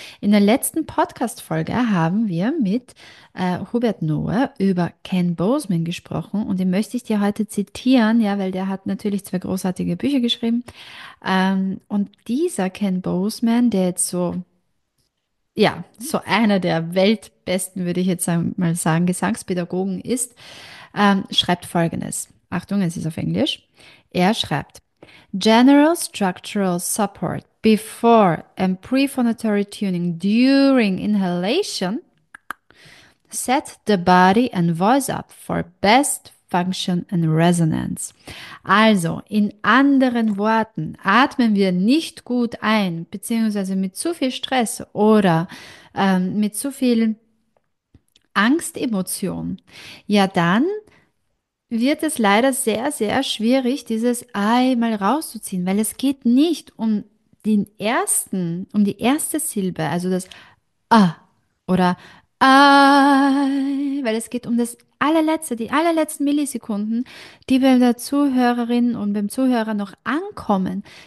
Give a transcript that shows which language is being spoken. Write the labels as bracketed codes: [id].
[de] In der letzten Podcast-Folge haben wir mit Hubert Noah über Ken Bozeman gesprochen und den möchte ich dir heute zitieren, ja, weil der hat natürlich zwei großartige Bücher geschrieben. Und dieser Ken Bozeman, der jetzt so, ja, so einer der weltbesten, würde ich jetzt mal sagen, Gesangspädagogen ist, schreibt Folgendes. Achtung, es ist auf Englisch. Er schreibt: [en] General structural support before and prephonatory tuning during inhalation set the body and voice up for best function and resonance. [de] Also, in anderen Worten, atmen wir nicht gut ein, beziehungsweise mit zu viel Stress oder mit zu viel Angstemotion, ja, dann wird es leider sehr, sehr schwierig, dieses Ei mal rauszuziehen, weil es geht nicht um um die erste Silbe, also das A oder Ei, weil es geht um das allerletzte, die allerletzten Millisekunden, die bei der Zuhörerin und beim Zuhörer noch ankommen.